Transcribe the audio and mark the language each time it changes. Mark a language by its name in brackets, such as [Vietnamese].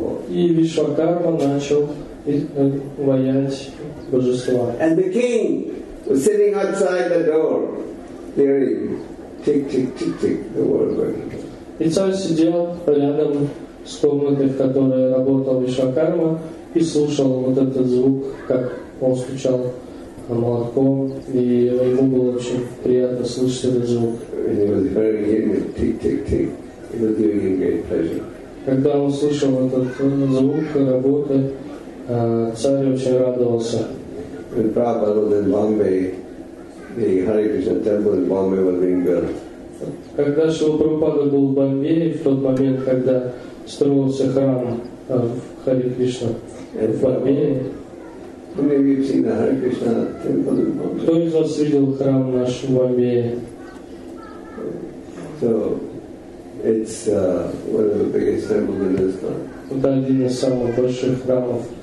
[Russian] И Вишвакарма начал воять божества. [English] And the king was sitting outside the door, hearing tick, tick, tick, tick, the word going. [Russian] И царь сидел рядом с комнатой, в которой работал Вишвакарма, и слушал вот этот звук, как он стучал молотком, и ему было очень приятно слышать этот звук. [English] And he was hearing him, tick, tick, tick. It was giving him great pleasure. [Russian] Когда он слышал этот звук работы, царь очень радовался. [English] When Prabhupada was in Bombay, the Hare Krishna temple in Bombay was being built. [Russian] Когда Шрила Прабхупада был в Бомбее, в тот момент, когда строился храм Харе Кришна в Бомбее. [English] Maybe you've seen the Hare Krishna temple in Bombay. [Russian] Кто из вас видел храм наш в Бомбее? [English] So, it's one of the biggest temples in Islam. [Russian] Это один из самых больших храмов.